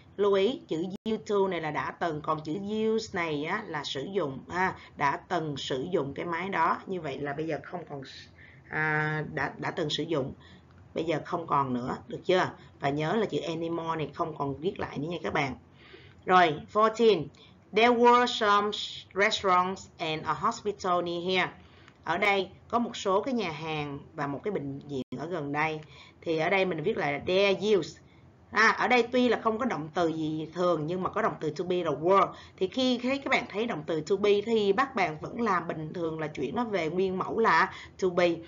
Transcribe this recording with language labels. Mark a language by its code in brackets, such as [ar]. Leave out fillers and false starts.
[vi] Lưu ý, chữ you to này là đã từng, còn chữ use này á, là sử dụng. Đã từng sử dụng cái máy đó. Như vậy là bây giờ không còn, đã từng sử dụng. Bây giờ không còn nữa, được chưa? Và nhớ là chữ anymore này không còn viết lại nữa nha các bạn. Rồi, 14. [en] There were some restaurants and a hospital near here. [vi] Ở đây có một số cái nhà hàng và một cái bệnh viện ở gần đây. Thì ở đây mình viết lại là [en] there used. [vi] Ở đây tuy là không có động từ gì thường nhưng mà có động từ to be là were. Thì khi thấy các bạn thấy động từ to be thì bắt bạn vẫn làm bình thường là chuyển nó về nguyên mẫu là to be.